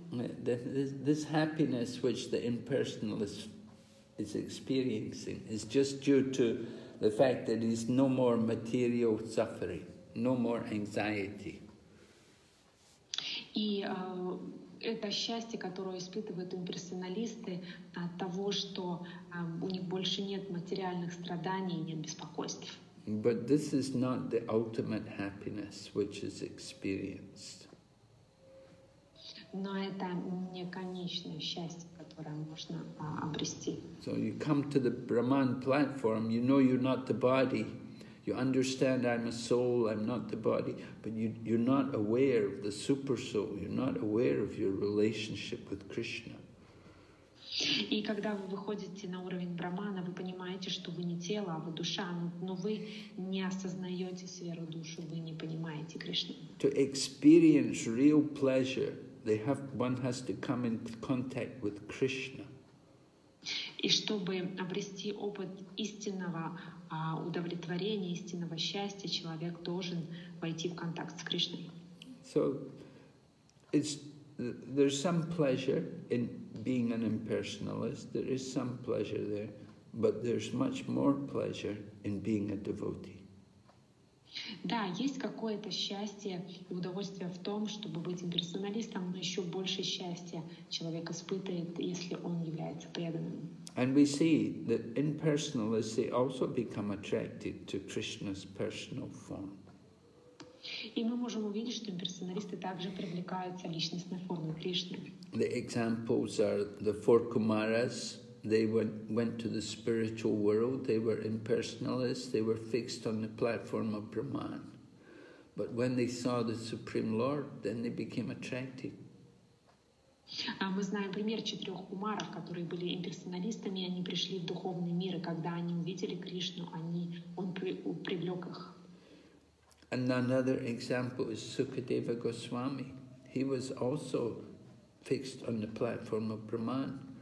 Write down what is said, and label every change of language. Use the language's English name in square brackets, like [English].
[English] This happiness, which the impersonalist is experiencing, is just due to the fact that there is no more material suffering, no more anxiety. [Russian] И это счастье, которое испытывают имперсоналисты, от того, что у них больше нет материальных страданий и нет беспокойств. [English] But this is not the ultimate happiness which is experienced. [Russian] Но это не конечное счастье, которое можно обрести. [English] So you come to the Brahman platform, you know you're not the body. You understand I'm a soul, I'm not the body, but you're not aware of the super soul, you're not aware of your relationship with Krishna. [Russian] И когда вы выходите на уровень Брахмана, вы понимаете, что вы не тело, а вы душа, но вы не осознаете сферу души, вы не понимаете Кришну. [English] To experience real pleasure, one has to come in contact with Krishna. [Russian] И чтобы обрести опыт истинного удовлетворения, истинного счастья, человек должен войти в контакт с Кришной. [English] So, there's some pleasure in being an impersonalist, there is some pleasure there, but there's much more pleasure in being a devotee. [Russian] Да, есть какое-то счастье и удовольствие в том, чтобы быть имперсоналистом, но еще больше счастья человек испытывает, если он является преданным. [English] And we see that impersonalists, they also become attracted to Krishna's personal form. [Russian] И мы можем увидеть, что имперсоналисты также привлекаются личностной формой Кришны. [English] The examples are the four Kumaras. They went to the spiritual world, they were impersonalists, they were fixed on the platform of Brahman. But when they saw the Supreme Lord, then they became attracted. [Russian] Мы знаем пример четырех кумаров, которые были имперсоналистами, они пришли в духовный мир, и когда они увидели Кришну, он привлек их. [English] And another example is Sukadeva Goswami. He was also fixed on the platform of Brahman.